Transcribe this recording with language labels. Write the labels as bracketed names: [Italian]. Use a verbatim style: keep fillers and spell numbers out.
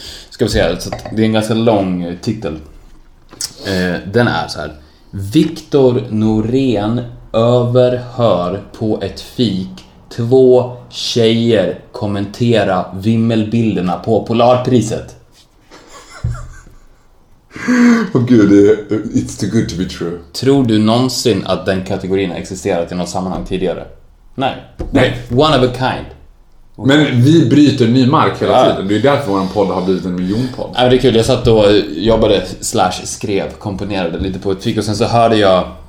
[Swedish] Ska vi säga, så det är en ganska lång titel. eh, Den är så här: Victor Norén överhör på ett fik två tjejer kommentera vimmelbilderna på Polarpriset. Åh oh, gud, [English] it's too good to be true. [Swedish] Tror du någonsin att den kategorin har existerat i något sammanhang tidigare? Nej. Nej. [English] One of a kind. [Swedish] Men vi bryter ny mark hela tiden, ja. Det är därför vår podd har blivit en miljonpodd. Ja, det är kul, jag satt och jobbade slash skrev, komponerade lite på ett fik. Och sen så hörde jag...